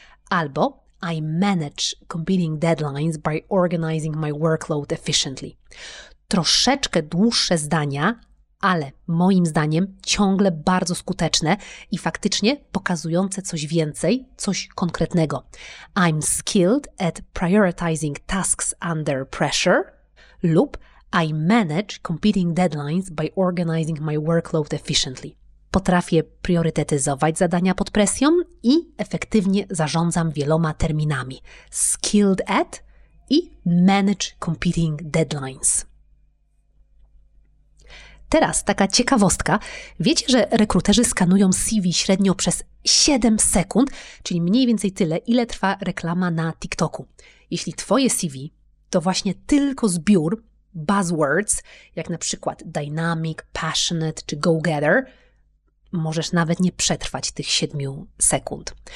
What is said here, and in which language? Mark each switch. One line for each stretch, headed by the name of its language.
Polish: Albo
English: I manage competing deadlines by organizing my workload efficiently.
Polish: Troszeczkę dłuższe zdania, ale moim zdaniem ciągle bardzo skuteczne i faktycznie pokazujące coś więcej, coś konkretnego.
English: I'm skilled at prioritizing tasks under pressure
Polish: lub
English: I manage competing deadlines by organizing my workload efficiently.
Polish: Potrafię priorytetyzować zadania pod presją i efektywnie zarządzam wieloma terminami.
English: Skilled at i manage competing deadlines.
Polish: Teraz taka ciekawostka. Wiecie, że rekruterzy skanują CV średnio przez 7 sekund, czyli mniej więcej tyle, ile trwa reklama na TikToku. Jeśli Twoje CV to właśnie tylko zbiór buzzwords, jak na przykład dynamic, passionate czy go-getter, możesz nawet nie przetrwać tych 7 sekund.